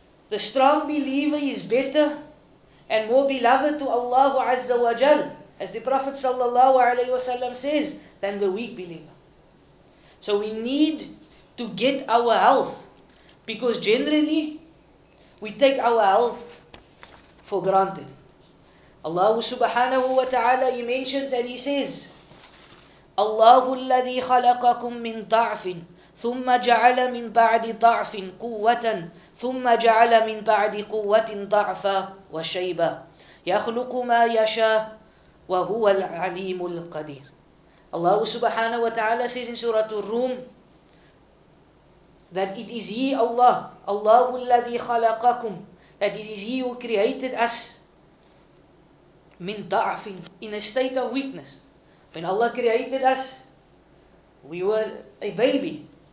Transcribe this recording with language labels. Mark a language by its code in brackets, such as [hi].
[en] The strong believer is better and more beloved to Allah Azza wa Jal, as the Prophet sallallahu alayhi wasallam says, than the weak believer. So we need to get our health, because generally we take our health for granted. Allah subhanahu wa ta'ala, he mentions and he says, [ar] Allah الذي خلقكم من ضعف ثم جعل من بعد ضعف قوة ثم جعل من بعد قوة ضعفا وشيبا يخلق ما يشاء وهو العليم القدير. [en] Allah subhanahu wa ta'ala says in Surah Ar-Rum that it is He, Allah, Allah [ar] الذي خلقكم, [en] that it is He who created us [ar] من ضعف, [en] in a state of weakness. When Allah created us, we were a baby.